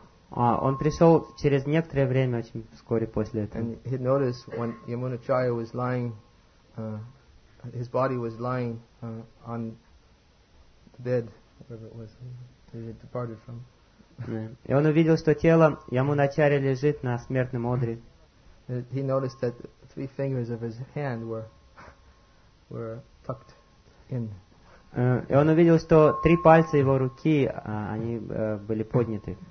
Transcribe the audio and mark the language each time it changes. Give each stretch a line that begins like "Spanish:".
Russian: Он пришел через некоторое время, очень вскоре после этого.
English: And he noticed when Yamunacharya was lying, his body was lying on the bed, wherever it was he had departed from.
Russian: И он увидел, что тело Ямуначарья лежит на смертном одре.
English: He noticed that three fingers of his hand were tucked in.
Russian: И он увидел, что три пальца его руки, они были подняты.